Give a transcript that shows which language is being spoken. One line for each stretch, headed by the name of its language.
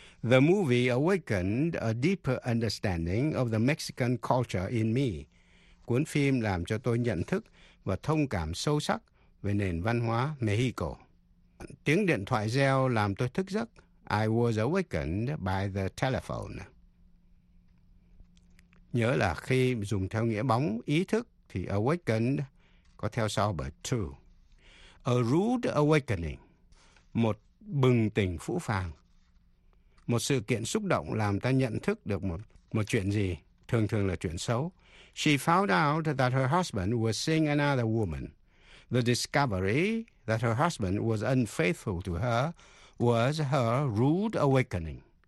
English: The movie awakened a deeper understanding of the Mexican culture in me.
Vietnamese: Cuốn phim làm cho tôi nhận thức và thông cảm sâu sắc về nền văn hóa Mexico. Tiếng điện thoại reo làm tôi thức giấc.
English: I was awakened by the telephone.
Vietnamese: Nhớ là khi dùng theo nghĩa bóng, ý thức, thì awakened có theo sau bởi to.
English: A rude awakening,
Vietnamese: một bừng tỉnh phũ phàng. Một sự kiện xúc động làm ta nhận thức được một chuyện gì, thường thường là chuyện xấu.
English: She found out that her husband was seeing another woman. The discovery that her husband was unfaithful to her was her rude awakening.